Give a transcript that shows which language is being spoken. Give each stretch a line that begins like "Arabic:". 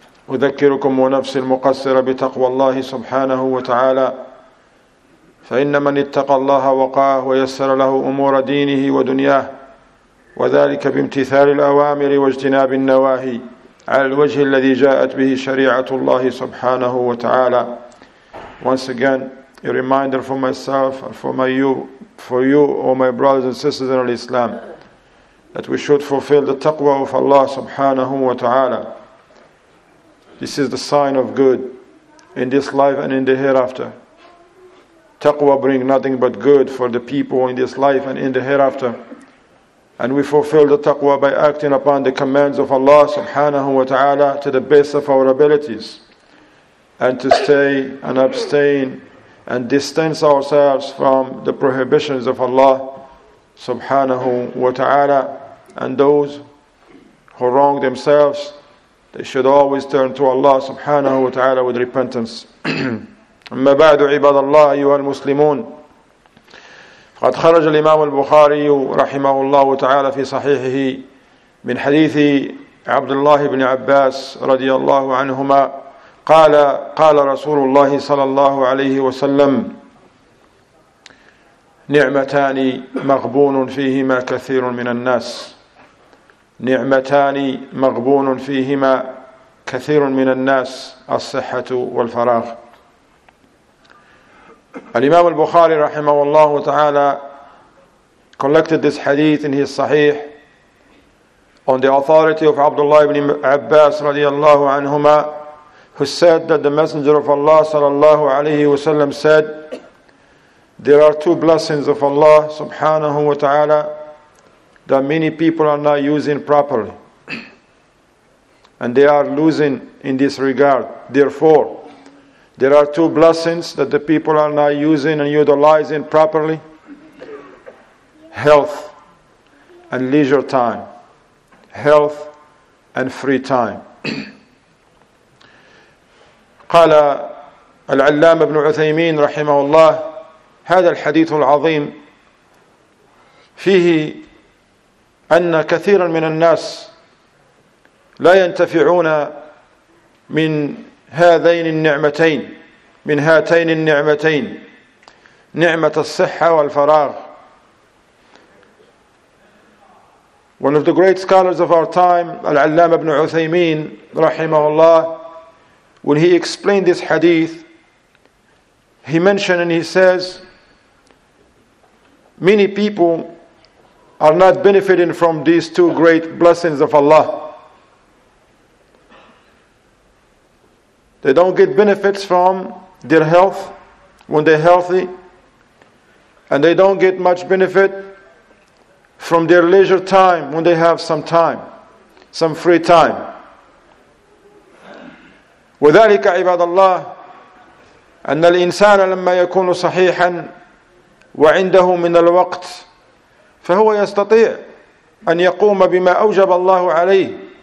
Arabic: أذكركم ونفسي المقصرة بتقوى الله سبحانه وتعالى فإن من اتقى الله وقاه ويسر له أمور دينه ودنياه وذلك بامتثال الأوامر واجتناب النواهي على الوجه الذي جاءت به شريعة الله سبحانه وتعالى.
English: Once again, a reminder for myself and for you, or my brothers and sisters in Islam, that we should fulfill the taqwa of Allah subhanahu wa ta'ala. This is the sign of good in this life and in the hereafter. Taqwa bring nothing but good for the people in this life and in the hereafter. And we fulfill the taqwa by acting upon the commands of Allah subhanahu wa ta'ala to the best of our abilities. And to stay and abstain and distance ourselves from the prohibitions of Allah subhanahu wa ta'ala. And those who wrong themselves, they should always turn to Allah subhanahu wa ta'ala with repentance.
Arabic: أما بعد عباد الله أيها المسلمون فقد خرج الإمام البخاري رحمه الله تعالى في صحيحه من حديث عبد الله بن عباس رضي الله عنهما قال رسول الله صلى الله عليه وسلم نعمتان مغبون فيهما كثير من الناس نعمتان مغبون فيهما كثير من الناس الصحة والفراغ.
English: Al-Imam al-Bukhari rahimahullahu ta'ala collected this hadith in his Sahih on the authority of Abdullah ibn Abbas radiyallahu anhuma, who said that the Messenger of Allah sallallahu alayhi wa sallam said, there are two blessings of Allah subhanahu wa ta'ala that many people are not using properly and they are losing in this regard. Therefore, there are two blessings that the people are not using and utilizing properly: health and leisure time, health and free time.
Arabic: قال العلامة ابن عثيمين رحمه الله هذا الحديث العظيم فيه أن كثيرا من الناس لا ينتفعون من هذين النعمتين من هاتين النعمتين نعمة الصحة والفراغ.
English: One of the great scholars of our time, Al-Allama ibn Uthaymeen, rahimahullah, when he explained this hadith, he mentioned and he says, many people are not benefiting from these two great blessings of Allah. They don't get benefits from their health when they're healthy, and they don't get much benefit from their leisure time when they have some time, some free time.
Arabic: وَذَلِكَ عِبَادَ اللَّهِ أَنَّ الْإِنسَانَ لَمَّا يَكُونُ صَحِيحًا وَعِنْدَهُ مِنَ الْوَقْتِ فَهُوَ يَسْتَطِيعُ أَنْ يَقُومَ بِمَا أَوْجَبَ اللَّهُ عَلَيْهِ